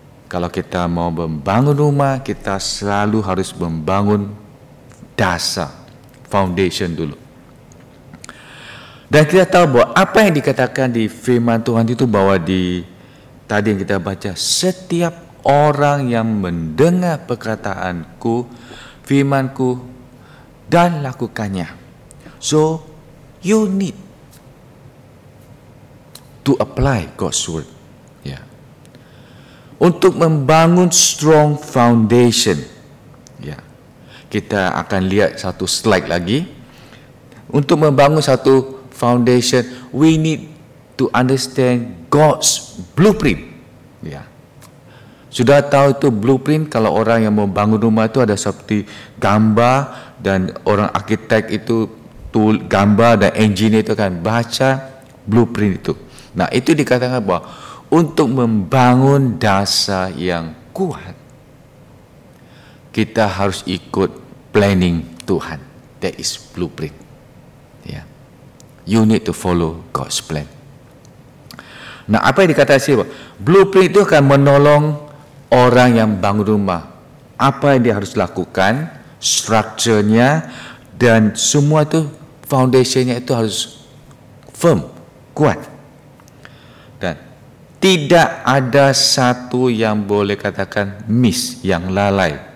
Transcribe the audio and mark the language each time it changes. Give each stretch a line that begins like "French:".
Indonesian: Kalau kita mau membangun rumah, kita selalu harus membangun dasar, foundation dulu. Dan kita tahu bahwa apa yang dikatakan di firman Tuhan itu bahwa di tadi yang kita baca, setiap orang yang mendengar perkataanku, firmanku, dan lakukannya.
English: So, you need to apply God's word.
Indonesian: Yeah. Untuk membangun
English: strong foundation.
Indonesian: Yeah. Kita akan lihat satu slide lagi. Untuk membangun satu foundation,
English: we need to understand God's blueprint. Yeah.
Indonesian: Sudah tahu itu blueprint, kalau orang yang mau bangun rumah itu ada seperti gambar, dan orang arkitek itu tool, gambar dan engineer itu kan baca blueprint itu. Nah, itu dikatakan bahwa untuk membangun dasar yang kuat, kita harus ikut planning Tuhan.
English: That is blueprint. Yeah. You need to follow God's plan.
Indonesian: Nah, apa yang dikatakan sih? Blueprint itu akan menolong orang yang bangun rumah. Apa yang dia harus lakukan, structure-nya, dan semua itu foundation-nya itu harus firm, kuat. Dan tidak ada satu yang boleh katakan miss, yang lalai.